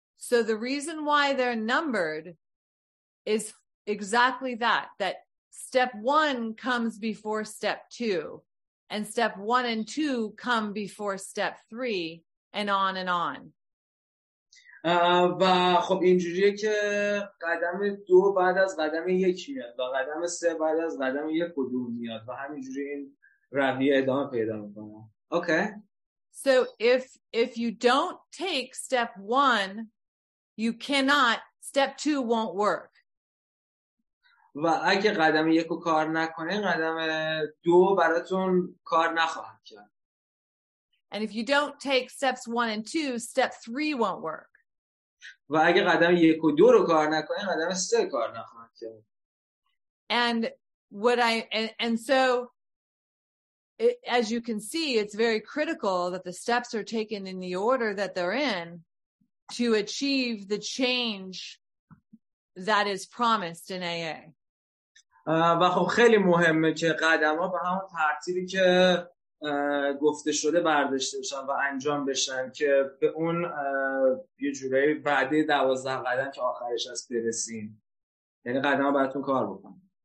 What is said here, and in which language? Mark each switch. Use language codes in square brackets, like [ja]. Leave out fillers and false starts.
[en] so the reason why they're numbered is exactly that step 1 comes before step 2 and step 1 and 2 come before step 3 and on and on. [fa] و خب اینجوریه که قدم دو بعد از قدم یک میاد و قدم سه بعد از قدم یک قدوم میاد و همینجوری این رویه ادامه پیدا میکنه. [en] Okay. So if you don't take step 1, you cannot, step 2 won't work. [fa] و اگه قدم یک رو کار نکنه قدم دو براتون کار نخواهد کرد. [en] And if you don't take steps 1 and 2, step 3 won't work. [fa] و اگه قدم یک و دو رو کار نکنه قدم سه کار نخواهد کرد. [en] And what I and so it, as you can see, it's very critical that the steps are taken in the order that they're in to achieve the change that is promised in AA. [fa] و خب خیلی مهمه که قدم‌ها به همون ترتیبی که گفته شده برداشته بشن و انجام بشن که به اون یه جورایی وعده 12 قدم که آخرش هست برسیم، یعنی قدم ها براتون کار بکنم.